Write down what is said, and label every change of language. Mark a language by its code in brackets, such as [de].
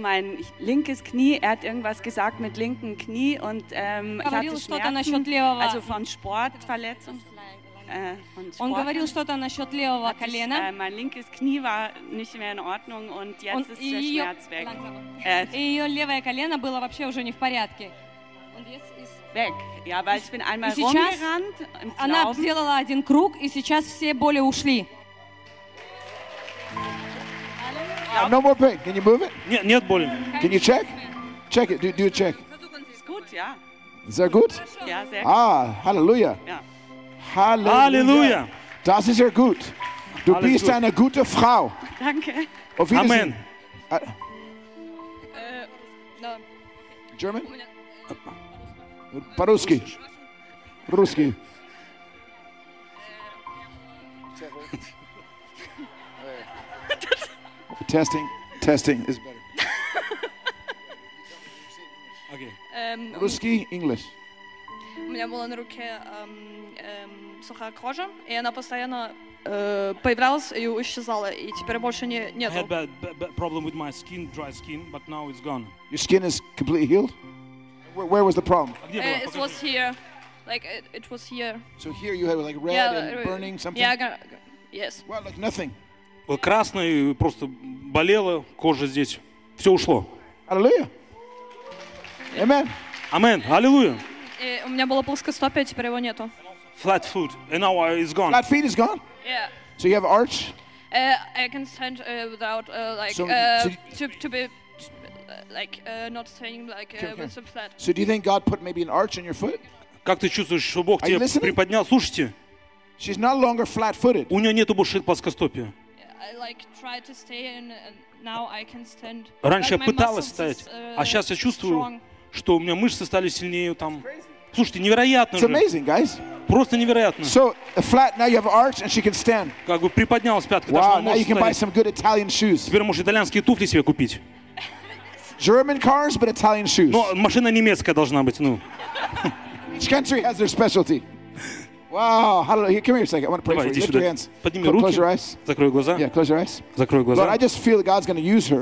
[de] Mein linkes Knie, hat irgendwas gesagt mit linken Knie und ich hatte Schmerzen, [ru] насчет левого. [de] Also von Sportverletzung. [ru] Он говорил что-то насчет левого колена. [de] Mein linkes Knie war nicht mehr in Ordnung und jetzt ist der Schmerz weg. [ru] И ее левое колено было вообще уже не в порядке. [de] Weg. Ja, weil ich bin einmal rumgerannt. [ru] Она сделала один круг и сейчас все боли ушли. [en] No more pain. Can you move it? [ru] Нет, нет боли. [en] Can you check? Check it. Do a check. [de] Ist gut, ja. [en] Is that good? [de] Ja, sehr gut. Ah, hallelujah. Ja. Hallelujah. Hallelujah. Das ist sehr gut. Du Alles bist gut. eine gute Frau. Danke. Auf Amen. [ru] German? По-русски. Русский. [en] Testing is better. Okay. [ru] Русский, English. У меня была на руке сухая кожа, и она постоянно появлялась и исчезала, и теперь больше не нету. [en] I had bad problem with my skin, dry skin, but now it's gone. Your skin is completely healed? Where was the problem? It was here. Like it was here. So here you had like red and burning something. Yeah, yes. Well, like nothing. [ru] Вот красное, просто болело кожа здесь. Все ушло. Аллилуйя. Амен. Амен. Аллилуйя. У меня было плоскостопие, теперь его нету. [en] Flat foot. And now it's gone. Flat feet is gone? Yeah. So you have arch? I can stand without like to be like not standing like with some flat. So do you think God put maybe an arch on your foot? [ru] Как ты чувствуешь, что Бог тебе приподнял? Слушайте. [en] She's no longer flat footed. [ru] У нее нету больше плоскостопия. [en] I like try to stay and now I can stand. [ru] Раньше я пыталась стоять, а сейчас я чувствую, что у меня мышцы стали сильнее там. Слушайте, невероятно же. [en] It's amazing, guys. [ru] Просто невероятно. [en] So flat now you have arch and she can stand. [ru] Как бы приподнялась пятка, [en] wow, now you can buy some good Italian shoes. [ru] Теперь можешь итальянские туфли себе купить. [en] German cars, but Italian shoes. [ru] Но машина немецкая должна быть, ну. [en] Each country has their specialty. Wow, hallelujah. Come here a second. I want to pray [ru] Давай, [en] for you. Lift your hands. [ru] Подними руки. [en] Close your eyes. [ru] Закрой глаза. [en] Yeah, close your eyes. [ru] Закрой глаза. [en] Lord, I just feel God's going to use her.